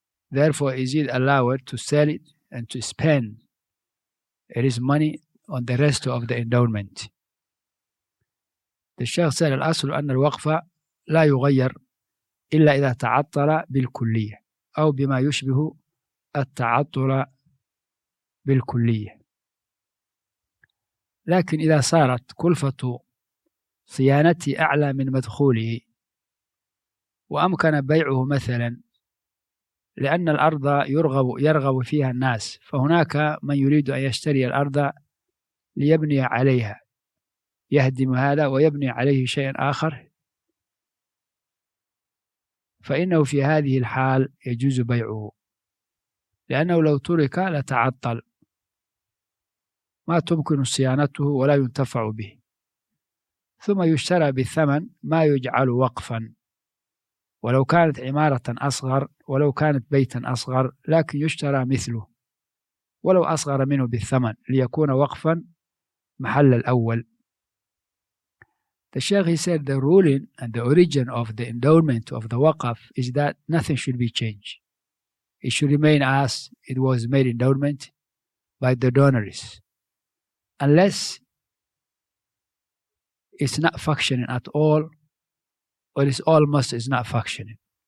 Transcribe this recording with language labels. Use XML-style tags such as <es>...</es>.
<en>Therefore, is it allowed to sell it and to spend its money on the rest of the endowment? The Sheikh said,</en> <ar>الأصل أن الوقف لا يغير إلا إذا تعطل بالكلية أو بما يشبه التعطل بالكلية. لكن إذا صارت كلفة صيانتي أعلى من مدخولي وأمكن بيعه مثلا لأن الأرض يرغب فيها الناس، فهناك من يريد أن يشتري الأرض ليبني عليها، يهدم هذا ويبني عليه شيئا آخر، فإنه في هذه الحال يجوز بيعه لأنه لو ترك لتعطل، ما تمكن صيانته ولا ينتفع به، ثم يشترى بالثمن ما يجعل وقفا، ولو كانت عمارة أصغر ولو كانت بيتا أصغر لكن يشترى مثله ولو أصغر منه بالثمن ليكون وقفا محل الأول.</ar> <en>The Sheikh said the ruling and the origin of the endowment of the waqf is that nothing should be changed. It should remain as it was made endowment by the donors, unless it's not functioning at all, or it's almost is not functioning.</en>